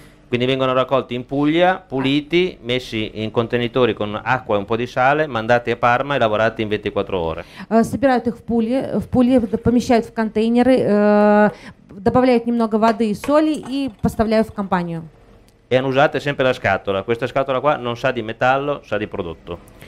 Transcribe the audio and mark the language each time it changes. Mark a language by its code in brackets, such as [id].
[it] Quindi vengono raccolti in Puglia, puliti, messi in contenitori con acqua e un po' di sale, mandati a Parma e lavorati in 24 ore. [ru] Собирают их в Пуле, помещают в контейнеры, добавляют немного воды и соли и поставляют в компанию. [it] E hanno usato sempre la scatola. Questa scatola qua non sa di metallo, sa di prodotto.